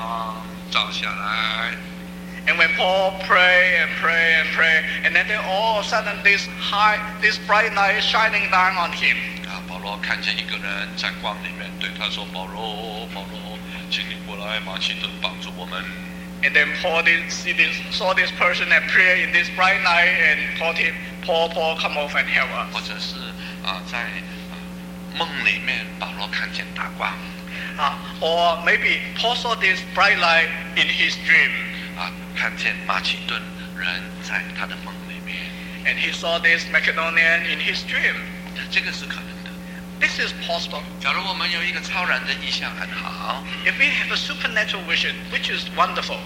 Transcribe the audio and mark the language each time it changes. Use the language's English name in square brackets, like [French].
[Chinese] 保罗祷告以后看见大光照下来。 [English] And when Paul prayed and prayed and prayed, and then all of a sudden this bright light shining down on him. [Chinese] 啊, 保罗看见一个人在光里面对他说, 保罗,请你过来马其顿帮助我们。 [English] And then Paul saw this person appear in this bright night and called him, Paul, come over and help us. [Chinese] 或者是在梦里面保罗看见大光。 [English] Or maybe Paul saw this bright light in his dream. [Chinese] 看见马其顿人在他的梦里面。 [English] And he saw this Macedonian in his dream. [Chinese] 这个是可能的。 [English] This is possible. [Chinese] 假如我们有一个超然的意象很好。 [English] If we have a supernatural vision, which is wonderful.